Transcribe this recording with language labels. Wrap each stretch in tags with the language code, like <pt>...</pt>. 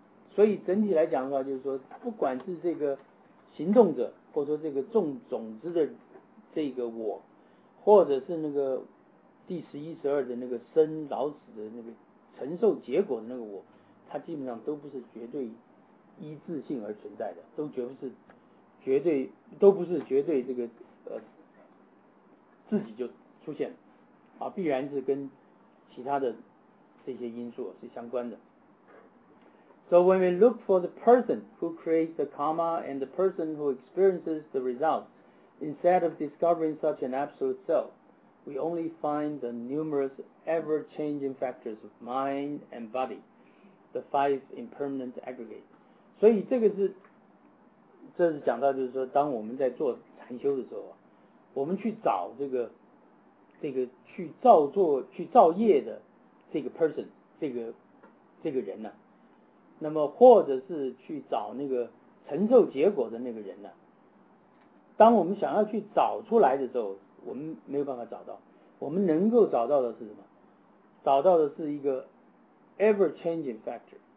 <zh>所以整体来讲的话，就是说不管是这个行动者或者说这个种种子的这个我，或者是那个第十一十二的那个生老死的那个承受结果的那个我，它基本上都不是绝对一致性而存在的，都绝不是绝对，都不是绝对这个自己就出现了啊，必然是跟其他的这些因素是相关的。</zh> <en>So when we look for the person who creates the karma and the person who experiences the result, instead of discovering such an absolute self, we only find the numerous ever-changing factors of mind and body, the five impermanent aggregates.</en> <zh>所以这是讲到就是说，当我们在做禅修的时候，我们去找这个去造作去造业的这个 person 这个人呢、啊。那么或者是去找那个承受结果的那个人呢，当我们想要去找出来的时候，我们没有办法找到，我们能够找到的是什么，找到的是一个</zh> <en>ever changing factor，</en>